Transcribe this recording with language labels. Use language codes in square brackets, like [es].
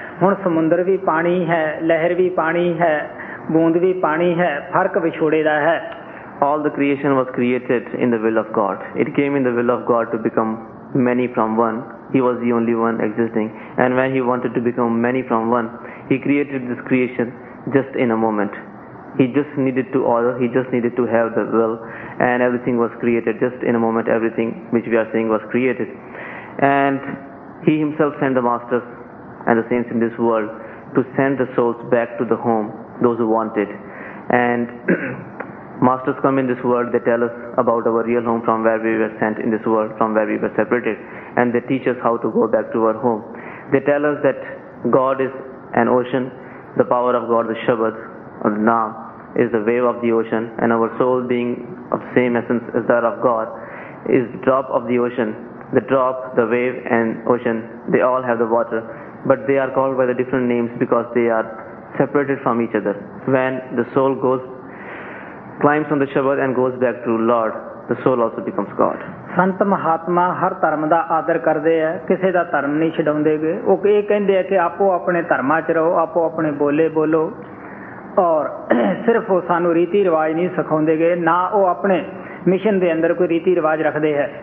[pa] ਹੁਣ ਸਮੁੰਦਰ ਵੀ ਪਾਣੀ ਹੈ, ਲਹਿਰ ਵੀ ਪਾਣੀ ਹੈ, ਬੂੰਦ ਵੀ ਪਾਣੀ ਹੈ, ਫਰਕ ਵਿਛੋੜੇ ਦਾ ਹੈ। [en] All the creation was created in the will of God, it came in the will of God to become many from one, he was the only one existing, and when he wanted to become many from one he created this creation just in a moment. He just needed to order, he just needed to have the will, and everything was created just in a moment, everything which we are seeing was created. And he himself sent the masters and the saints in this world to send the souls back to the home, those who want it. And masters come in this world, they tell us about our real home from where we were sent in this world, from where we were separated, and they teach us how to go back to our home. They tell us that God is an ocean, the power of God, the Shabad, or the Naam, is the wave of the ocean, and our soul being of the same essence as that of God is the drop of the ocean. The drop, the wave and ocean, they all have the water, but they are called by the different names because they are separated from each other. When the soul goes, climbs on the Shabad and goes back to Lord, the soul also becomes God. [pa] ਸੰਤ ਮਹਾਤਮਾ ਹਰ ਧਰਮ ਦਾ ਆਦਰ ਕਰਦੇ ਆ, ਕਿਸੇ ਦਾ ਧਰਮ ਨਹੀਂ ਛਡਾਉਂਦੇ ਗਏ। ਉਹ ਇਹ ਕਹਿੰਦੇ ਆ ਕਿ ਆਪੋ ਆਪਣੇ ਧਰਮਾਂ 'ਚ ਰਹੋ, ਆਪੋ ਆਪਣੇ ਬੋਲੇ ਬੋਲੋ, ਔਰ ਸਿਰਫ ਉਹ ਸਾਨੂੰ ਰੀਤੀ ਰਿਵਾਜ਼ ਨਹੀਂ ਸਿਖਾਉਂਦੇ ਗਏ, ਨਾ ਉਹ ਆਪਣੇ ਮਿਸ਼ਨ ਦੇ ਅੰਦਰ ਕੋਈ ਰੀਤੀ ਰਿਵਾਜ਼ ਰੱਖਦੇ ਹੈ।